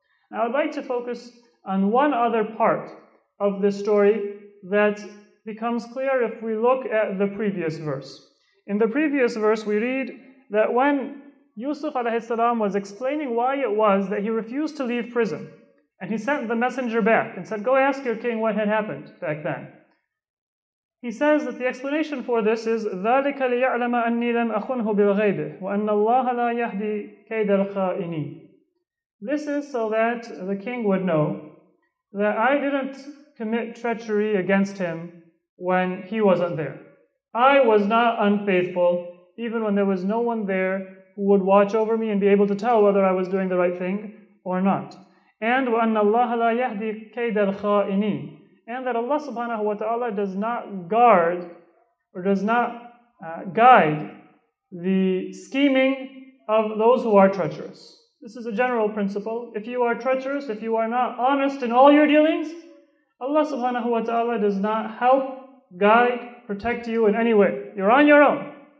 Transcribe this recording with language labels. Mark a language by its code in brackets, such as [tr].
[en] Now I'd like to focus on one other part of this story that becomes clear if we look at the previous verse. In the previous verse we read that when Yusuf alayhi salam was explaining why it was that he refused to leave prison, and he sent the messenger back and said, go ask your king what had happened back then. He says that the explanation for this is, [ar] ذَلِكَ لِيَعْلَمَ أَنِّي لَمْ أَخُنْهُ بِالْغَيْبِ وَأَنَّ اللَّهَ لَا يَهْدِي كَيْدَ الْخَائِنِينَ. [en] This is so that the king would know that I didn't commit treachery against him when he wasn't there. I was not unfaithful, even when there was no one there who would watch over me and be able to tell whether I was doing the right thing or not. And [ar] وَأَنَّ اللَّهَ لَا يَهْدِي كَيْدَ الْخَائِنِينَ. [en] And that Allah subhanahu wa ta'ala does not guard or does not guide the scheming of those who are treacherous. This is a general principle. If you are treacherous, if you are not honest in all your dealings, Allah subhanahu wa ta'ala does not help, guide, protect you in any way. You're on your own.